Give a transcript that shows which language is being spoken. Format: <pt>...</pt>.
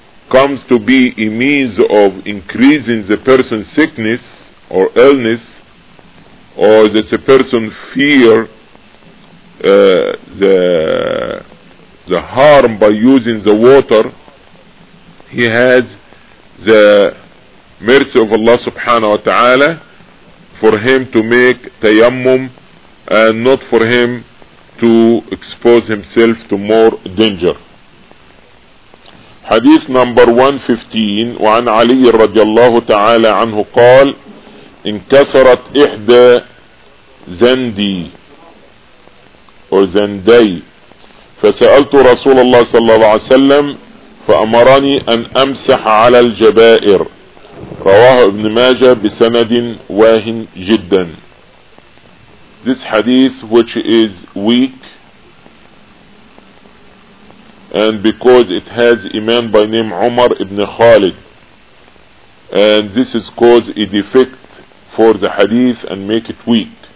<en>comes to be a means of increasing the person's sickness or illness, or that the person fear the harm by using the water, he has the mercy of Allah subhanahu wa ta'ala for him to make tayammum and not for him to expose himself to more danger. Hadith number 115,</en> <ar>وعن علي رضي الله تعالى عنه قال انكسرت إحدى زندي أو زندي فسألت رسول الله صلى الله عليه وسلم فأمرني أن أمسح على الجبائر. رواه ابن ماجة بسند واهن جدا.</ar> <en>This hadith which is weak, and because it has a man by name Umar ibn Khalid, and this is cause a defect for the hadith and make it weak.</en>